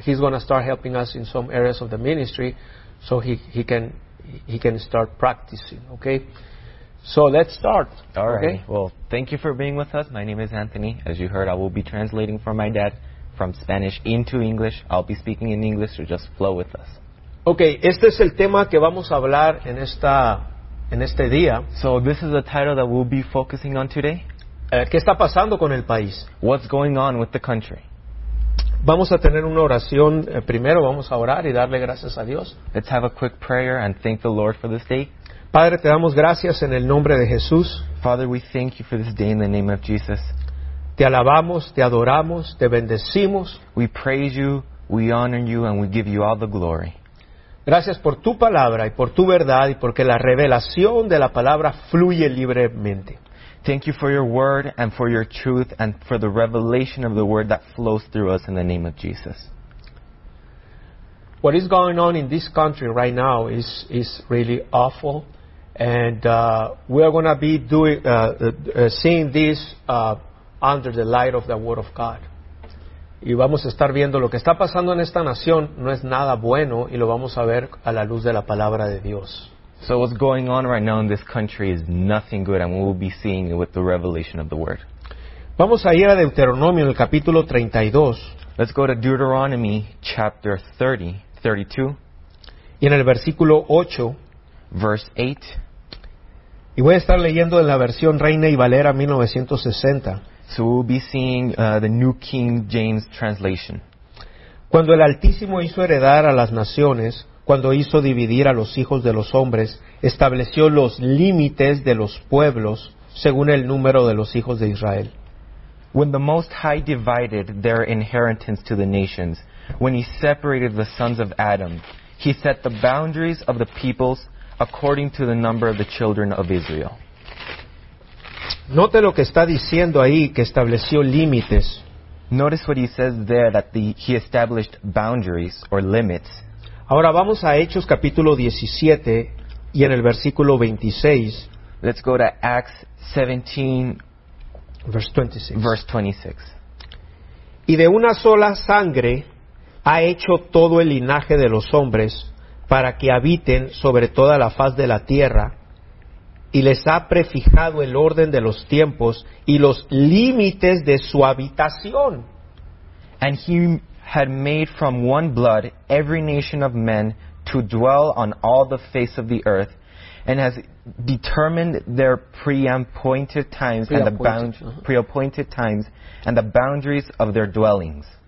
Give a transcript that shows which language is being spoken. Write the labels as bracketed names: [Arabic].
[English] He's going to start helping us in some areas of the ministry, so he can start practicing. Okay. So let's start. All right. Okay? Well, thank you for being with us. My name is Anthony. As you heard, I will be translating for my dad from Spanish into English. I'll be speaking in English, so just flow with us. [Spanish] Okay, este es el tema que vamos a hablar en este día. [English] So this is a title that we'll be focusing on today. [Spanish] ¿Qué está pasando con el país? [English] What's going on with the country? [Spanish] Vamos a tener una oración. Primero vamos a orar y darle gracias a Dios. [English] Let's have a quick prayer and thank the Lord for this day. [Spanish] Padre, te damos gracias en el nombre de Jesús. [English] Father, we thank you for this day in the name of Jesus. [Spanish] Te alabamos, te adoramos, te bendecimos. [English] We praise you, we honor you, and we give you all the glory. [Spanish] Gracias por tu palabra y por tu verdad y porque la revelación de la palabra fluye libremente. [English] Thank you for your word and for your truth and for the revelation of the word that flows through us in the name of Jesus. What is going on in this country right now is really awful, and we are going to be doing seeing this under the light of the Word of God. [Spanish] Y vamos a estar viendo lo que está pasando en esta nación no es nada bueno, y lo vamos a ver a la luz de la palabra de Dios. [English] So what's going on right now in this country is nothing good, and we will be seeing it with the revelation of the Word. [Spanish] Vamos a ir a Deuteronomio en el capítulo 32. [English] Let's go to Deuteronomy chapter 32. [Spanish] Y en el versículo 8. [English] Verse 8. [Spanish] Y voy a estar leyendo en la versión Reina y Valera 1960. [English] So we'll be seeing the New King James translation. [Spanish] Cuando el Altísimo hizo heredar a las naciones, cuando hizo dividir a los hijos de los hombres, estableció los límites de los pueblos según el número de los hijos de Israel. [English] When the Most High divided their inheritance to the nations, when he separated the sons of Adam, he set the boundaries of the peoples according to the number of the children of Israel. [Spanish] Note lo que está diciendo ahí, que estableció límites. [English] Notice what he says there, that he established boundaries or limits. [Spanish] Ahora vamos a Hechos capítulo 17 y en el versículo 26. [English] Let's go to Acts 17, verse 26. Verse 26. Y de una sola sangre ha hecho todo el linaje de los hombres para que habiten sobre toda la faz de la tierra, y les ha prefijado el orden de los tiempos y los límites de su habitación. And he had made from one blood every nation of men to dwell on all the face of the earth, and has determined their preappointed times and the preappointed times and the boundaries of their dwellings.